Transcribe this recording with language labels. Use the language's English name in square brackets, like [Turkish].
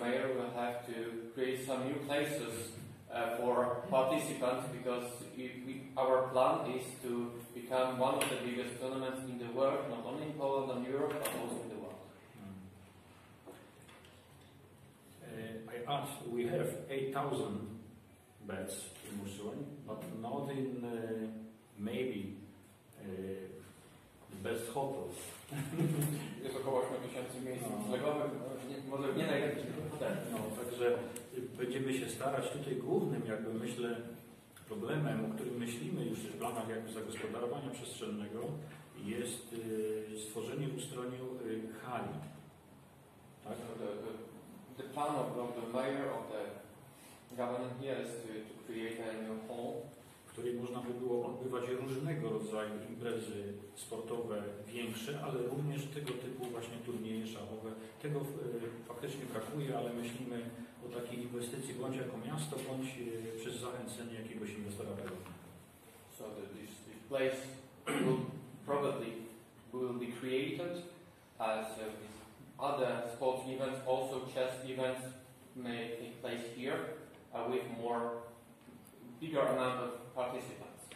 [English] Mayor will have to create some new places for participants, because our plan is to become one of the biggest tournaments in the world, not only in Poland and Europe, but also in the world. I asked, we have 8,000 beds in Ustroń, but not in maybe the best hotels. [Polish] Jest około 8000 miejsc noclegowych, może nie najlepiej. No, także będziemy się starać tutaj głównym, jakby myślę, problemem, o którym myślimy już w planach jakby zagospodarowania przestrzennego, jest stworzenie w Ustroniu hali. Tak? [English] So the plan of the mayor of the government here is to create a new hall. [Polish] której można by było odbywać różnego rodzaju imprezy sportowe większe, ale również tego typu właśnie turnieje szachowe. Tego faktycznie brakuje, ale myślimy o takiej inwestycji bądź jako miasto, bądź przez zachęcenie jakiegoś inwestora prywatnego. [English] So this place will probably will be created as other sports events, also chess events may take place here with more bigger number of participants.